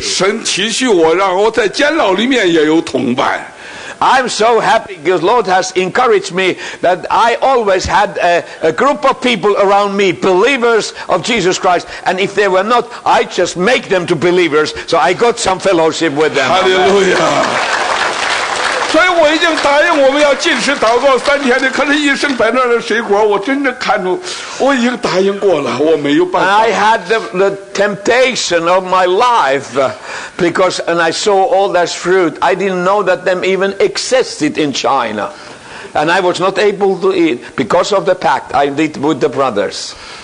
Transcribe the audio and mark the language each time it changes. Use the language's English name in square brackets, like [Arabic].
[Chinese] 神期许我让我在监牢里面也有同伴。 [English] I'm so happy because the Lord has encouraged me that I always had a group of people around me, believers of Jesus Christ. And if they were not, I just make them to believers. So I got some fellowship with them. Hallelujah. [Chinese] 所以我已经答应我们要禁食祷告三天的，可是医生摆那儿的水果，我真的看着，我已经答应过了，我没有办法。 [English] I had the temptation of my life, because and I saw all that fruit. I didn't know that them even existed in China, and I was not able to eat because of the pact I did with the brothers.